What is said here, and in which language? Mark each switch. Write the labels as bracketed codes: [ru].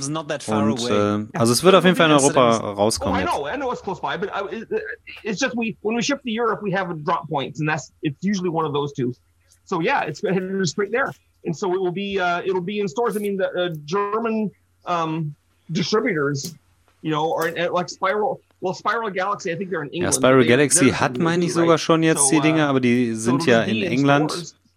[de] Und also es wird auf jeden Fall in Europa rauskommen. [en] I know it's close by, but it's just when we ship to Europe, we have a drop point, and it's usually one of those two. So yeah, it's headed straight there. And so it'll be in stores. I mean, the German distributors, you know, are like Spiral Galaxy, I think they're in England. [de] Ja, Spiral Galaxy hat, meine ich, sogar schon jetzt die Dinger, aber die sind ja in England.